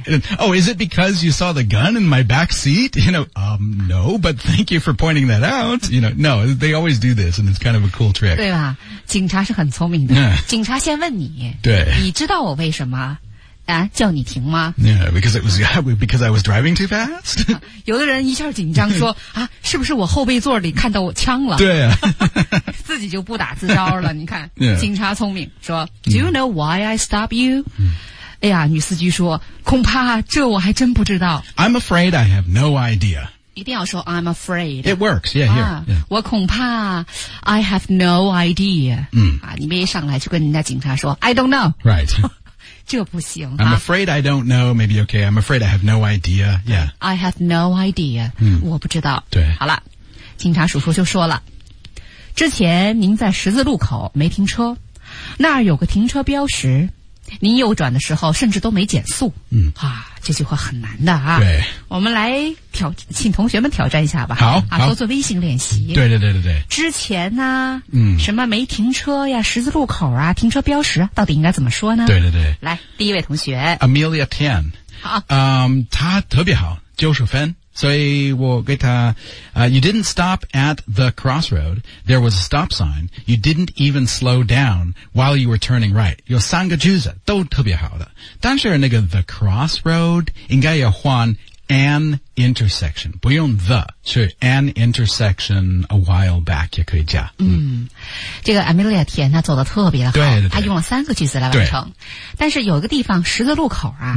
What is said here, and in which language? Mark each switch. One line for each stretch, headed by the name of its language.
English: Okay. Oh, is it because you saw the gun in my back seat? You know, no, but thank you for pointing that out. You know, no, they always do this and it's kind of a cool trick.
Chinese: 对吧警察是很聪明的。
English: Yeah.
Chinese: 警察先问你。对。你知道我为什么叫你停吗
English: ？Yeah, because it was because I was driving too fast.
Chinese: 有的人一下紧张说啊，是不是我后备座里看到我枪了？对啊，自己就不打自招了。你看， yeah. 警察聪明，说
English: Do you know why I stop you?、
Chinese: Mm. 哎呀，女司机说，恐怕这我还真不知道。
English: I'm afraid I have no idea.
Chinese: 一定要说
English: I'm afraid. It works. Yeah, here.、
Chinese: Yeah. 我恐怕
English: I have no idea.、
Chinese: Mm. 啊，你别一上来就跟人家警察说
English: I don't know. Right.
Chinese: 这不行、
English: 啊、I'm afraid I don't know, maybe okay, I'm afraid I have no idea, yeah. I have no idea,、嗯、
Chinese: 我不知道。对。好了，警察叔叔就说了，之前您在十字路口没停车，那儿有个停车标识，您右转的时候甚至都没减速。嗯。啊，这句话很难的啊。对。我们来挑，请同学们挑战一下吧。好。啊，做做微信练习。对对对对对。之前呢、啊、嗯，什么没停车呀，十字路口啊，停车标识啊，到底应该怎么说呢？对对对。来，第一位同学。 Amelia Tan。好。他特别好，90分。所以我给他
English: you didn't stop at the crossroad. There was a stop sign. You didn't even slow down while you were turning right.
Chinese: 有三个句子都特别好的。但是那个 the crossroad 应该要换 an intersection. 不用 the, 是
English: an intersection a while back
Chinese: 也可以加。嗯。这个 Amelia 田他做得特别的好。对对对。他用了三个句子来完成。但是有一个地方十字路口啊、